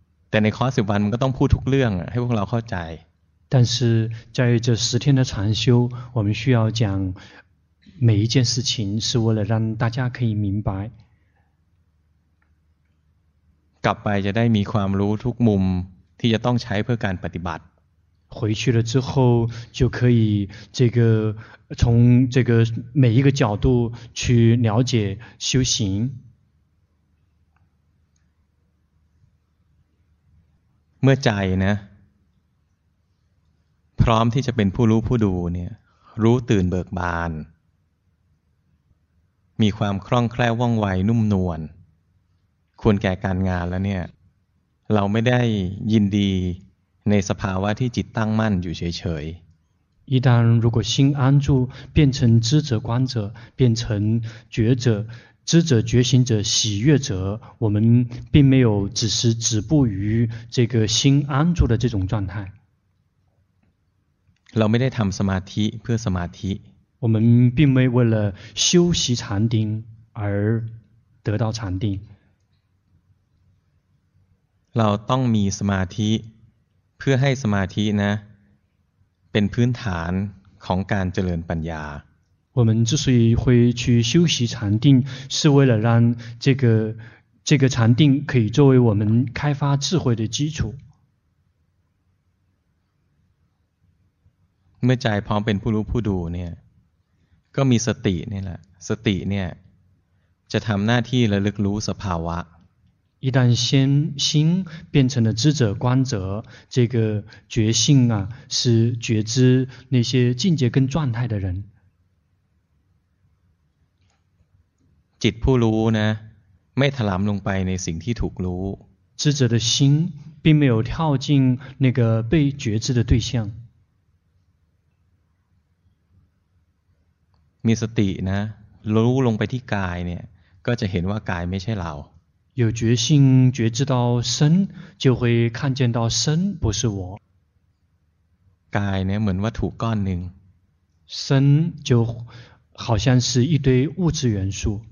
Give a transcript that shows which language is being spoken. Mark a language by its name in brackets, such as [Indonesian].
[Thai] แต่ในคอร์ส10วันมันก็ต้องพูดทุกเรื่องให้พวกเราเข้าใจ [Chinese] 但是在这十天的禅修，我们需要讲每一件事情，是为了让大家可以明白。 [Thai] กลับไปจะได้มีความรู้ทุกมุมที่จะต้องใช้เพื่อการปฏิบัติ [Chinese] 回去了之后就可以这个从这个每一个角度去了解修行。 [Thai] เมื่อใจนะพร้อมที่จะเป็นผู้รู้ผู้ดูเนี่ยรู้ตื่นเบิกบานมีความคล่องแคล่วว่องไวนุ่มนวลควรแก่การงานแล้วเนี่ยเราไม่ได้ยินดีในสภาวะที่จิตตั้งมั่นอยู่เฉย [Chinese] ๆ一旦如果心安住变成知者观者变成觉者知者觉醒者喜悦者我们并没有只是止步于这个心安住的这种状态 [Thai] เราไม่ได้ทำสมาธิเพื่อสมาธิ [Chinese] 我们并没为了修习禅定而得到禅定 [Thai] เราต้องมีสมาธิเพื่อให้สมาธินะเป็นพื้นฐานของการเจริญปัญญา [Chinese] 我们之所以会去修习禅定是为了让这个禅定可以作为我们开发智慧的基础 [Thai] เมื่อใจพร้อมเป็นผู้รู้ผู้ดูเนี่ยก็มีสตินี่แหละสติเนี่ยจะทำหน้าที่ระลึกรู้สภาวะ [Chinese] 一旦先心变成了知者观者这个觉性啊是觉知那些境界跟状态的人 [Thai] จิตผู้รู้นะไม่ถลำลงไปในสิ่งที่ถูกรู้ [Chinese] 知者的心并没有跳进那个被觉知的对象 [Thai] มีสตินะรู้ลงไปที่กายเนี่ยก็จะเห็นว่ากายไม่ใช่เรา [Chinese] 有觉性觉知到身就会看见到身不是我 [Thai] กายเนี่ยเหมือนวัตถุก้อนหนึ่ง [Chinese] 身就好像是一堆物质元素